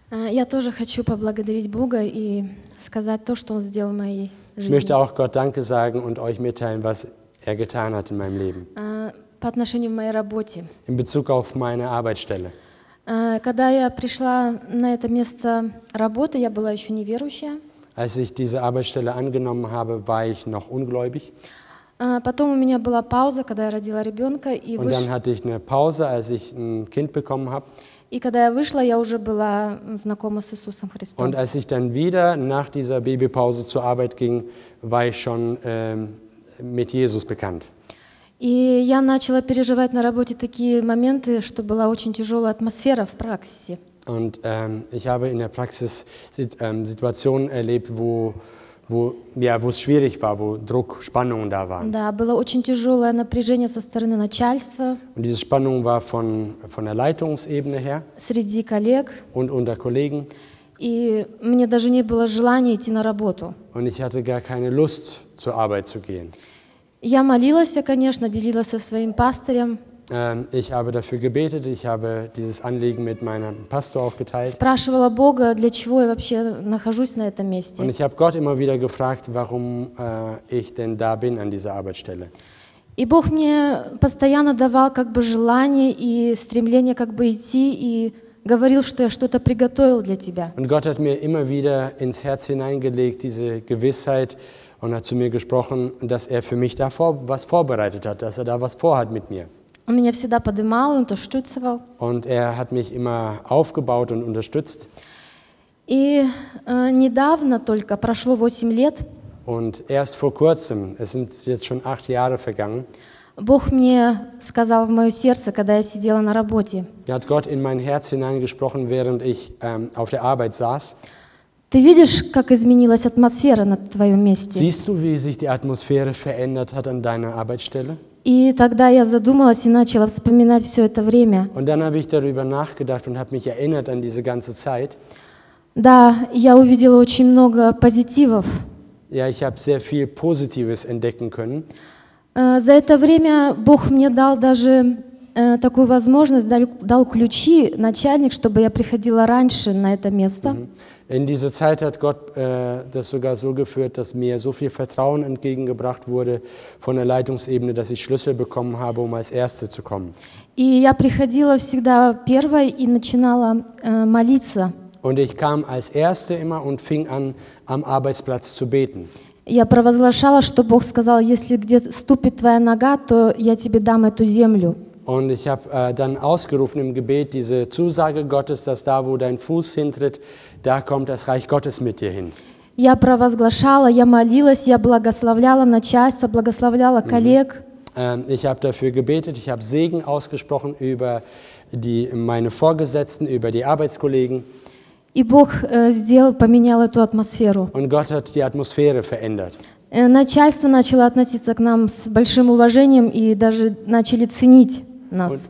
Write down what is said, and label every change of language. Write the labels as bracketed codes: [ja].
[ru] Я тоже хочу поблагодарить Бога и сказать то, что он сделал в моей жизни. [de] Ich möchte auch Gott Danke sagen und euch mitteilen, was er getan hat in meinem Leben. [ru] По отношению к моей работе. [de] In Bezug auf meine Arbeitsstelle. [ru] Когда я пришла на это место работы, я была еще неверующая. [de] Als ich diese Arbeitsstelle angenommen habe, war ich noch ungläubig. [ru] Потом у меня была пауза, когда я родила ребенка. [de] И und dann hatte ich eine Pause, als ich ein Kind bekommen habe. [ru] И когда я вышла, я уже была знакома с Иисусом Христом. [de] Und als ich dann wieder nach dieser Babypause zur Arbeit ging, war ich schon mit Jesus bekannt. [ru] И я начала переживать на работе такие моменты, что была очень тяжелая атмосфера в практике. [de] Und ich habe in der Praxis Situationen erlebt, wo es schwierig war, wo Druck, Spannung da war. [ru] Да, было очень тяжелое напряжение со стороны начальства. [de] Und diese Spannung war von der Leitungsebene her. [ru] Среди коллег. [de] Und unter Kollegen. [ru] И мне даже не было желания идти на работу. [de] Und ich hatte gar keine Lust, zur Arbeit zu gehen. [ru] Я молилась, конечно, делилась со своим пастырем. [de] Ich habe dafür gebetet, ich habe dieses Anliegen mit meinem Pastor auch geteilt. [ru] Спрашивала Бога, для чего я вообще нахожусь на этом месте. [de] Und ich habe Gott immer wieder gefragt, warum ich denn da bin an dieser Arbeitsstelle. [ru] И Бог мне постоянно давал как бы желание и стремление как бы идти и говорил, что я что-то приготовил для тебя. [de] Und Gott hat mir immer wieder ins Herz hineingelegt diese Gewissheit und hat zu mir gesprochen, dass er für mich da was vorbereitet hat, dass er da was vorhat mit mir. [ru] Он меня всегда поднимал и [de] unterstützt. Und er hat mich immer aufgebaut und unterstützt. [ru] И недавно только прошло 8 лет. [de] Und erst vor kurzem, es sind jetzt schon 8 Jahre vergangen. [ru] Бог мне сказал в мое сердце, когда я сидела на работе. [de] Er hat Gott in mein Herz hineingesprochen, während ich auf der Arbeit saß. [ru] Ты видишь, как изменилась атмосфера на твоем месте? [de] Siehst du, wie sich die Atmosphäre verändert hat an deiner Arbeitsstelle? [ru] И тогда я задумалась и начала вспоминать все это время. [de] Und dann habe ich darüber nachgedacht und habe mich erinnert an diese ganze Zeit. [ru] Да, я увидела очень много позитивов. [de] Ja, ich habe sehr viel Positives entdecken können. [ru] За это время Бог мне дал даже такую возможность, дал ключи начальник, чтобы я приходила раньше на это место. [de] In dieser Zeit hat Gott das sogar so geführt, dass mir so viel Vertrauen entgegengebracht wurde von der Leitungsebene, dass ich Schlüssel bekommen habe, um als Erste zu kommen. [ru] И я приходила всегда первой и начинала молиться. [de] Und ich kam als Erste immer und fing an, am Arbeitsplatz zu beten. [ru] Я провозглашала, что Бог сказал, если где ступит твоя нога, то я тебе дам эту землю. [de] Und ich habe dann ausgerufen im Gebet diese Zusage Gottes, dass da, wo dein Fuß hintritt, da kommt das Reich Gottes mit dir hin. [ru] Я провозглашала, я молилась, я благословляла начальство, благословляла коллег. [de] Ich habe dafür gebetet, ich habe Segen ausgesprochen über meine Vorgesetzten, über die Arbeitskollegen. [ru] И Бог сделал, поменял эту атмосферу. [de] Und Gott hat die Atmosphäre verändert. [ru] Начальство начало относиться к нам с большим уважением и даже начали ценить нас.